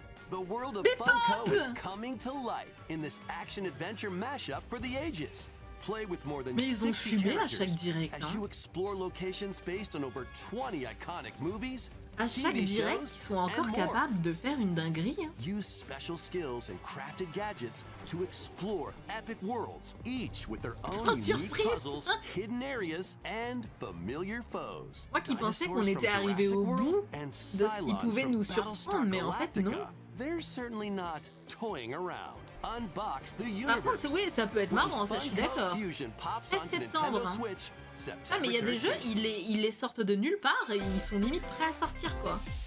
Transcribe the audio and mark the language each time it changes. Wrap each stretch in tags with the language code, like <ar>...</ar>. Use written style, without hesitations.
<en>The world of Funko is coming to life in this action adventure mashup for the ages. Play with more than 60 characters as you explore locations based on over 20 iconic movies.</en> <fr>À chaque direct, ils sont encore capables de faire une dinguerie. Hein.</fr> <en>Use special skills and crafted gadgets to explore epic worlds, each with their own unique puzzles, hidden areas, and familiar foes.</en> <fr>Moi qui pensais qu'on était arrivé au bout de ce qui pouvait nous surprendre, mais en fait non.</fr> <en>They're certainly not toying around. Unbox the universe.</en> <fr>Par contre, oui, ça peut être marrant, ça, je suis d'accord. 13 septembre. Hein. Ah, mais il y a des jeux, ils les sortent de nulle part et ils sont limite prêts à sortir, quoi.</fr>